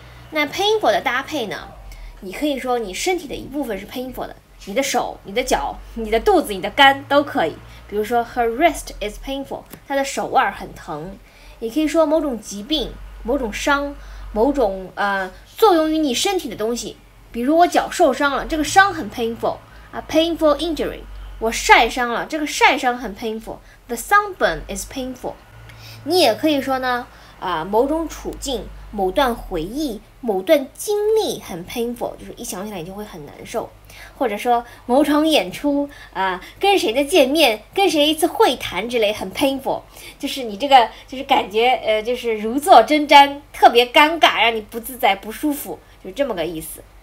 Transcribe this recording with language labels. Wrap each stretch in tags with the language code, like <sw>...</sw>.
<zh>那 painful 的搭配呢，你可以说你身体的一部分是 painful 的，你的手、你的脚、你的肚子、你的肝都可以。比如说</zh> <en>her wrist is painful，</en> <zh>她的手腕很疼。也可以说某种疾病、某种伤、某种作用于你身体的东西。比如我脚受伤了，这个伤很 painful，</zh> <en>a painful injury。</en> <zh>我晒伤了，这个晒伤很 painful，</zh> <en>the sunburn is painful。</en> <zh>你也可以说呢某种处境、某段回忆、某段经历很 painful， 就是一想起来你就会很难受。或者说某场演出跟谁的见面、跟谁一次会谈之类很 painful， 就是你这个就是感觉就是如坐针毡，特别尴尬，让你不自在不舒服，就是这么个意思。</zh>